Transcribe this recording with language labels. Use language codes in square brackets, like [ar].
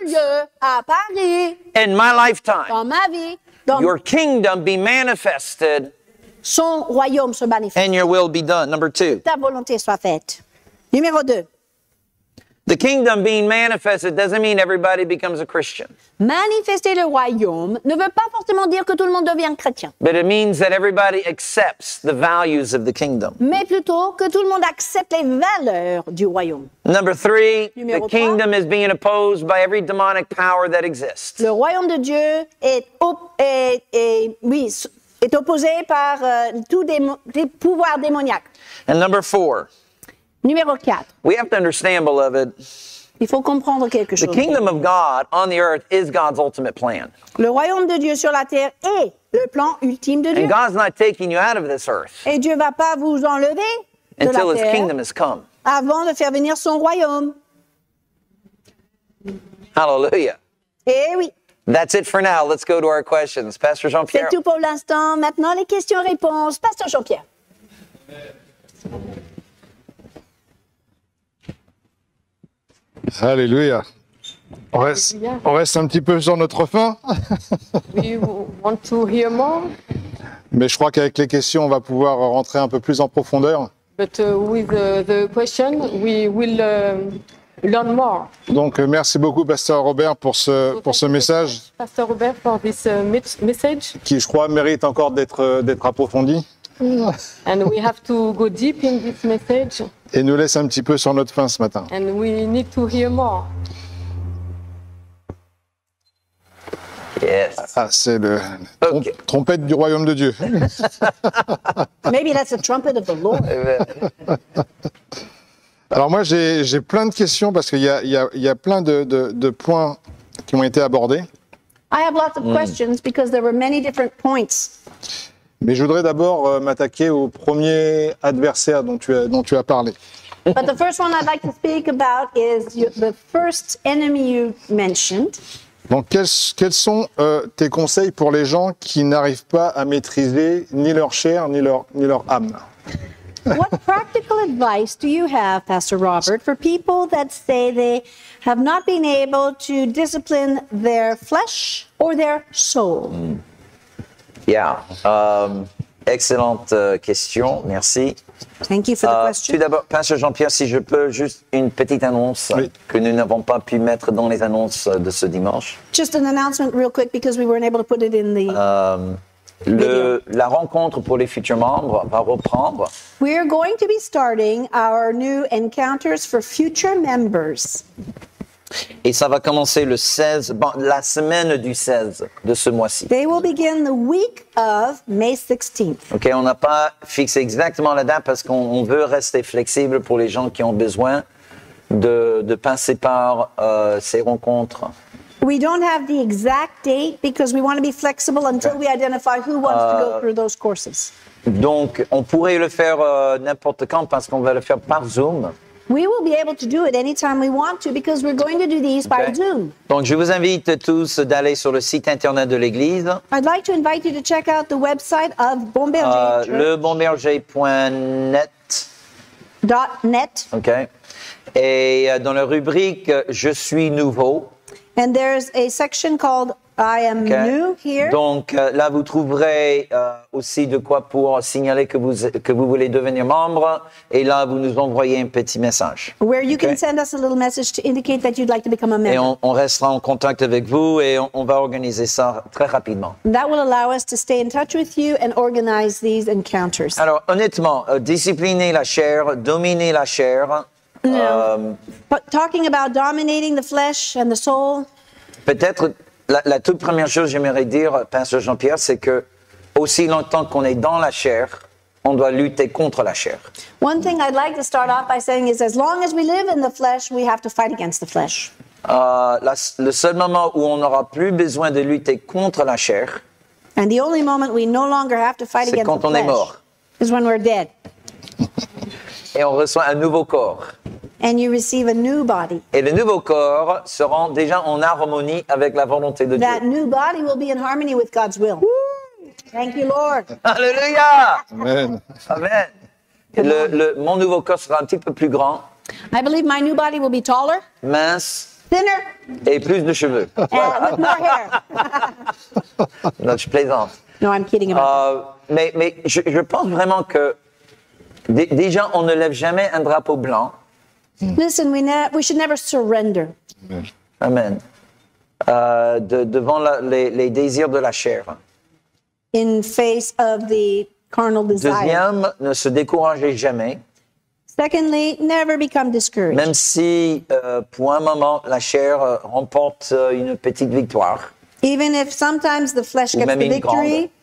[fr] Dans ce lieu, à Paris. [en] In my lifetime. [fr] Dans ma vie. [en] Your kingdom be manifested. [fr] Son royaume se manifeste. [en] And your will be done. Number two. [fr] Que ta volonté soit faite. Numéro deux. [en] The kingdom being manifested doesn't mean everybody becomes a Christian. [fr] Manifester le royaume ne veut pas forcément dire que tout le monde devient chrétien. [en] But it means that everybody accepts the values of the kingdom. [fr] Mais plutôt que tout le monde accepte les valeurs du royaume. [en] Number three, [fr] Numéro [en] the kingdom is being opposed by every demonic power that exists. [fr] Le royaume de Dieu est opposé par tous les pouvoirs démoniaques. [en] And number four. [fr] Numéro 4. [en] We have to understand, beloved. [fr] Il faut comprendre quelque chose. [en] The kingdom of God on the earth is God's ultimate plan. [fr] Le royaume de Dieu sur la terre est le plan ultime de Dieu. [en] And God's not taking you out of this earth. [fr] Et Dieu va pas vous enlever de la terre. [en] Until his kingdom has come. [fr] Avant de faire venir son royaume. [en] Hallelujah. [fr] Eh oui. [en] That's it for now. Let's go to our questions. Pastor Jean-Pierre. [fr] C'est tout pour l'instant. Maintenant les questions-réponses. Pasteur Jean-Pierre. Alléluia. On reste un petit peu sur notre fin. [en] Want to hear more? [fr] Mais je crois qu'avec les questions, on va pouvoir rentrer un peu plus en profondeur. [en] But with the question, we will learn more. [fr] Donc, merci beaucoup, Pasteur Robert, pour ce message. [en] Pasteur Robert, for this message. [fr] Qui, je crois, mérite encore d'être approfondi. [en] And we have to go deep in this message. [fr] Et nous laisse un petit peu sur notre faim ce matin. [en] And we need to hear more. Yes. [fr] Ah, c'est le trompette du royaume de Dieu. [en] Maybe that's the trumpet of the Lord. [fr] Alors moi j'ai plein de questions parce qu'il y a plein de points qui ont été abordés. [en] I have lots of questions because there were many different points. [fr] Mais je voudrais d'abord m'attaquer au premier adversaire dont tu as parlé. [en] But the first one I'd like to speak about is the first enemy you mentioned. [fr] Donc, quels sont tes conseils pour les gens qui n'arrivent pas à maîtriser ni leur chair ni leur âme? [en] What practical advice do you have, Pastor Robert, for people that say they have not been able to discipline their flesh or their soul? [fr] Yeah, Excellente question, merci. [en] Thank you for the question. [fr] Tout d'abord, Pasteur Jean-Pierre, si je peux, juste une petite annonce que nous n'avons pas pu mettre dans les annonces de ce dimanche. [en] Just an announcement real quick because we weren't able to put it in the [fr] La rencontre pour les futurs membres va reprendre. [en] We are going to be starting our new encounters for future members. [fr] Et ça va commencer le 16, bon, la semaine du 16 de ce mois-ci. [en] They will begin the week of May 16th. [fr] OK, on n'a pas fixé exactement la date parce qu'on veut rester flexible pour les gens qui ont besoin de passer par ces rencontres. [en] We don't have the exact date because we want to be flexible until we identify who wants to go through those courses. [fr] Donc, on pourrait le faire n'importe quand parce qu'on va le faire par Zoom. [en] We will be able to do it anytime we want to because we're going to do these by Zoom. [fr] Donc, je vous invite tous d'aller sur le site internet de l'église. [en] I'd like to invite you to check out the website of Bon Berger. [fr] Lebonberger.net. .net. Okay. Et dans la rubrique Je suis nouveau. [en] And there's a section called I am new here. [fr] Donc là vous trouverez aussi de quoi pour signaler que vous voulez devenir membre et là vous nous envoyez un petit message. [en] Where you can send us a little message to indicate that you'd like to become a member. [fr] Et on restera en contact avec vous et on va organiser ça très rapidement. [en] That will allow us to stay in touch with you and organize these encounters. [fr] Alors honnêtement, discipliner la chair, dominer la chair. [en] But talking about dominating the flesh and the soul. [fr] Peut-être la toute première chose que j'aimerais dire, Pasteur Jean-Pierre, c'est que aussi longtemps qu'on est dans la chair, on doit lutter contre la chair. [en] One thing I'd like to start off by saying is as long as we live in the flesh, we have to fight against the flesh. [fr] Le seul moment où on n'aura plus besoin de lutter contre la chair, [en] and the only moment we no longer have to fight against the flesh, [fr] mort. [en] Is when we're dead. [fr] Et on reçoit un nouveau corps. [en] And you receive a new body. [fr] Et le nouveau corps sera déjà en harmonie avec la volonté de [en] that That new body will be in harmony with God's will. Woo! Thank you, Lord. [fr] Alléluia. [en] Amen. Amen. [fr] Mon nouveau corps sera un petit peu plus grand. [en] I believe my new body will be taller. [fr] Mince. [en] Thinner. [fr] Et plus de cheveux. [en] With more hair. [fr] Non, je plaisante. [en] No, I'm kidding about that. [fr] Mais je pense vraiment que déjà, on ne lève jamais un drapeau blanc. [en] Listen, we should never surrender. [fr] Amen. Devant les désirs de la chair. [en] In face of the carnal desire. [fr] Deuxième, ne se décourager jamais. [en] Secondly, never become discouraged. [fr] Même si, pour un moment, la chair remporte une petite victoire. [en] Even if sometimes the flesh gets the victory.